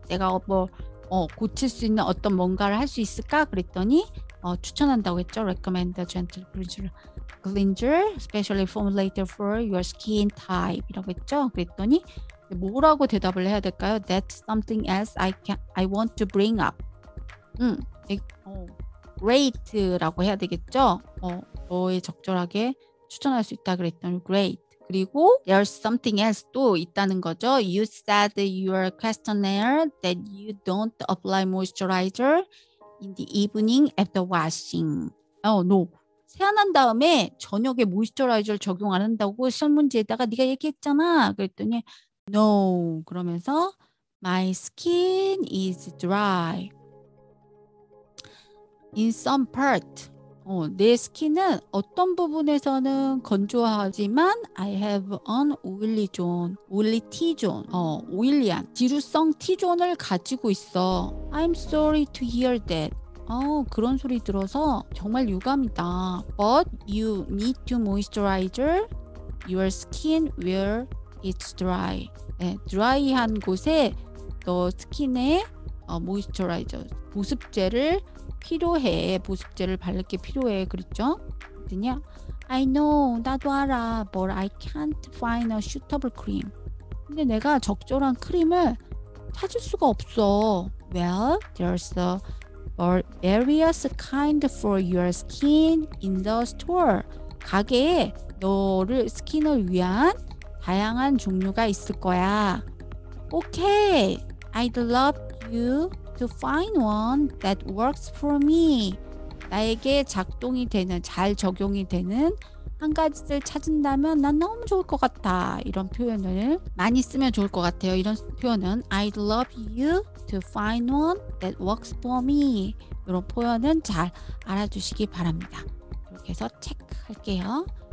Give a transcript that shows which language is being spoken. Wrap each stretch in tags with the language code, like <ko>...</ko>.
<ko>내가 고칠 수 있는 어떤 뭔가를 할 수 있을까? 그랬더니 추천한다고 했죠.</ko> <en>Recommend a gentle cleanser, specially formulated for your skin type.</en> <ko>이라고 했죠. 그랬더니 뭐라고 대답을 해야 될까요?</ko> <en>That's something else I want to bring up.</en> <ko>Great라고 해야 되겠죠. 너에 적절하게 추천할 수 있다 그랬더니 great. 그리고</ko> <en>there's something else</en> <ko>또 있다는 거죠.</ko> <en>You said your questionnaire that you don't apply moisturizer in the evening after washing. No.</en> <ko>세안한 다음에 저녁에 모이스처라이저를 적용 안 한다고 시험 문제에다가 네가 얘기했잖아. 그랬더니</ko> <en>no.</en> <ko>그러면서</ko> <en>my skin is dry. In some part,</en> <ko>내 스킨은 어떤 부분에서는 건조하지만</ko> <en>I have an oily zone, oily T-zone,</en> <ko>oily한 지루성 T-zone을 가지고 있어.</ko> <en>I'm sorry to hear that.</en> <ko>그런 소리 들어서 정말 유감이다.</ko> <en>But you need to moisturize your skin where it's dry.</en> <ko>네, dry한 곳에 너 스킨에 moisturizer, 보습제를 필요해. 보습제를 바를 게 필요해. 그랬죠? 그랬더니</ko> <en>I know.</en> <ko>나도 알아.</ko> <en>But I can't find a suitable cream.</en> <ko>근데 내가 적절한 크림을 찾을 수가 없어.</ko> <en>Well, there's a various kind for your skin in the store.</en> <ko>가게에 너를 스킨을 위한 다양한 종류가 있을 거야.</ko> <en>Okay. I'd love you to find one that works for me.</en> <ko>나에게 작동이 되는, 잘 적용이 되는 한 가지를 찾는다면 난 너무 좋을 것 같아. 이런 표현을 많이 쓰면 좋을 것 같아요. 이런 표현은</ko> <en>I'd love you to find one that works for me.</en> <ko>이런 표현은 잘 알아주시기 바랍니다. 이렇게 해서 체크할게요.</ko>